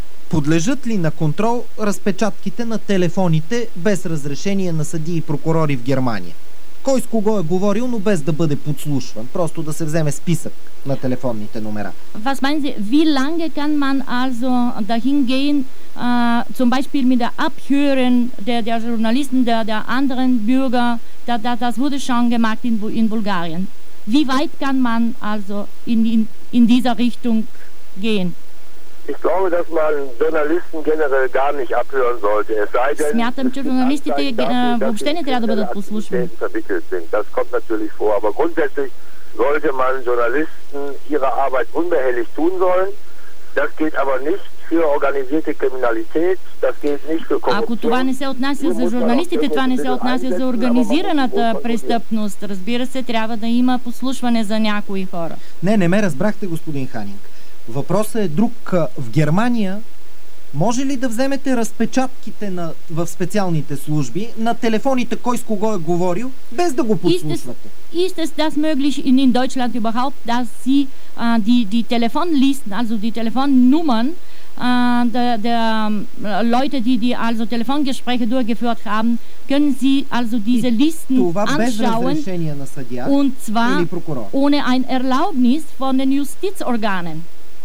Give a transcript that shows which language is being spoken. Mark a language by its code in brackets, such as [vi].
[bg] Подлежат ли на контрол разпечатките на телефоните без разрешение на съдии и прокурори в Германия? Кой с кого е говорил, но без да бъде подслушван? Просто да се вземе списък на телефонните номера. [de] Was meinen Sie, wie lange kann man also dahin gehen, zum Beispiel mit der Abhören der Journalisten, der anderen Bürger, das wurde schon gemacht in Bulgarien. Wie weit kann man also in dieser Richtung gehen? Ich glaube, dass man Journalisten generell gar nicht abhören sollte. Es sei denn, [bg] смятам, че журналистите въобще не трябва да бъдат послушвани. [de] Das kommt natürlich vor, aber grundsätzlich sollte man Journalisten ihre Arbeit unbehelligt tun sollen. Das geht aber nicht für organisierte Kriminalität, das geht nicht für Korruption. [bg] Ако това не се отнася за журналистите, това не се отнася за организираната престъпност. Разбира се, трябва да има послушване за някои хора. Не ме разбрахте, господин Ханинг. Въпросът е друг. В Германия може ли да вземете разпечатките в специалните служби на телефоните, кой с кого е говорил, без да го подслушвате? [de] Ist es das möglich in Deutschland überhaupt, dass Sie die Telefonlisten, also die Telefonnummern der Leute, die also Telefongespräche durchgeführt haben, können Sie also diese Listen anschauen, und zwar ohne ein Erlaubnis von den Justizorganen?